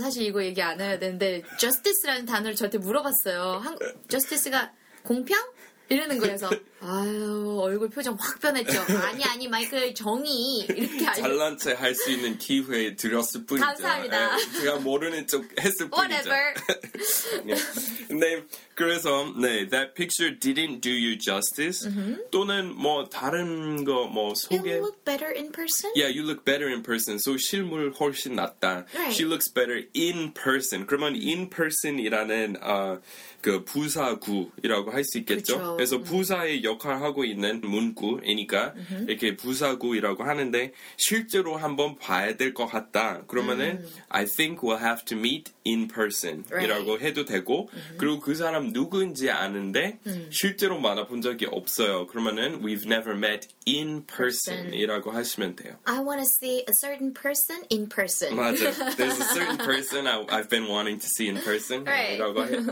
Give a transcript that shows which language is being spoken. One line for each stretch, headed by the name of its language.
Korean: 사실 이거 얘기 안 해야 되는데 justice라는 단어를 저한테 물어봤어요. justice가 공평? 이러는 거여서 아유 얼굴 표정 확 변했죠. 아니 마이클 정의 이렇게 잘난 채 할 수 있는 기회 드렸을 뿐이죠. 감사합니다. 제가 모르는 척 했을
English: Whatever.
Korean: 뿐이죠. 근데 그래서 네,
English: that picture didn't do you justice. Mm-hmm.
Korean: 또는 뭐 다른 거 뭐 소개.
English: You look better in person. Yeah, you look better in person. So
Korean: 실물 훨씬 낫다.
English: Right. She looks better in person.
Korean: 그러면 in person이라는 그 부사구이라고 할 수 있겠죠. 그쵸. 그래서 부사의 역할을 하고 있는 문구이니까 mm-hmm. 이렇게 부사구이라고 하는데 실제로 한번 봐야 될 것 같다. 그러면은
English: I think we'll have to meet in person이라고 right.
Korean: 해도 되고 mm-hmm. 그리고 그 사람 누군지 아는데 실제로 만나본 적이 없어요. 그러면은
English: we've never met in person이라고
Korean: 하시면 돼요.
English: I want to see a certain person in person.
Korean: 맞아.
English: There's a certain person I've been wanting to see in person이라고 right.